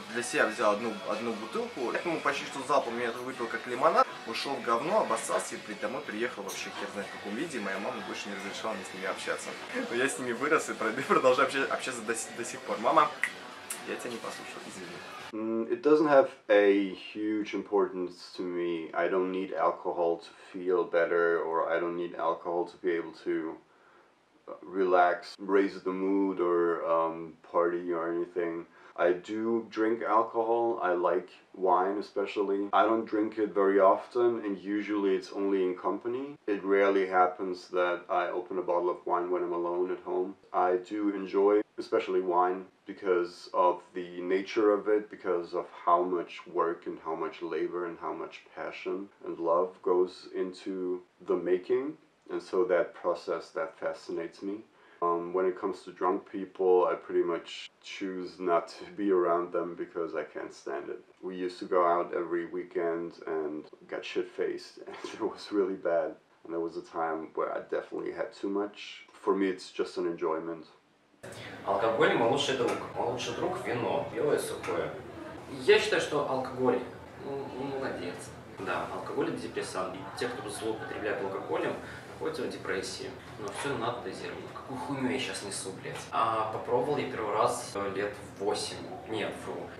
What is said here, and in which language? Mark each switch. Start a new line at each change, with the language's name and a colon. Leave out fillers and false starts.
Russian: Для себя взял одну бутылку, поэтому почти что залпом я это выпил как лимонад, ушел в говно, обоссался и домой приехал вообще хер знает в каком виде, моя мама больше не разрешала мне с ними общаться. Но я с ними вырос и продолжаю общаться до сих пор. Мама, я тебя не послушал, извини.
English: It doesn't have a huge importance to me. I don't need alcohol to feel better, or I don't need alcohol to be able to relax, raise the mood, or party or anything. I do drink alcohol. I like wine especially. I don't drink it very often, and usually it's only in company. It rarely happens that I open a bottle of wine when I'm alone at home. I do enjoy especially wine because of the nature of it, because of how much work and how much labor and how much passion and love goes into the making. And so that process, that fascinates me. When it comes to drunk people, I pretty much choose not to be around them because I can't stand it. We used to go out every weekend and got shit-faced, and it was really bad. And there was a time where I definitely had too much. For me, it's just an enjoyment.
Russian: Алкоголь – мой лучший друг. Мой лучший друг – вино, белое сухое. Я считаю, что алкоголь, ну, молодец. Да, алкоголь – это депрессант. И те, кто злоупотребляет алкоголем, хоть в депрессии, но все надо дозировать. Какую хуйню я сейчас несу, блядь. А попробовал я первый раз лет 8. Нет, фу.